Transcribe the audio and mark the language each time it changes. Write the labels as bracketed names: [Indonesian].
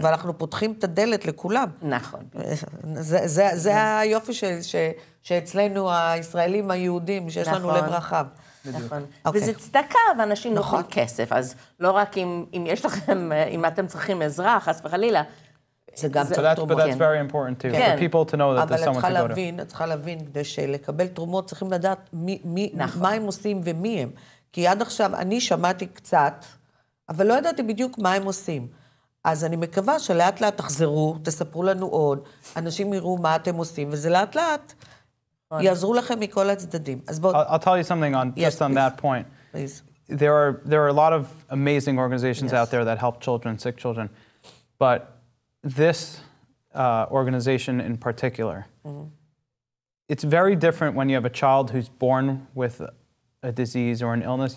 [Hebrew] ואנחנו פותחים את הדלת לכולם. נכון. זה היופי שאצלנו הישראלים היהודים, שיש לנו לב רחב. נכון. וזה צדקה, ואנשים נוכל כסף. אז לא רק אם יש לכם, אם אתם צריכים עזרה, חס וחלילה, זה גם תרומות. [English] But that's very important too, for people to know that there's someone to go to. [Hebrew] אבל את צריכה להבין, כדי שלקבל תרומות, צריכים לדעת מה הם עושים ומי הם. כי עד עכשיו אני שמעתי קצת, אבל לא ידעתי בדיוק מה הם עושים. אז אני מקווה שלאט לאט תחזרו, תספרו לנו עוד, אנשים יראו מה אתם עושים, וזה לאט לאט יעזרו לכם מכל הצדדים. אז בואו... [English] I'll tell you something on, yes, just on please. That point. Please. there are a lot of amazing organizations out there that help children, sick children, but this organization in particular, it's very different when you have a child who's born with a disease or an illness.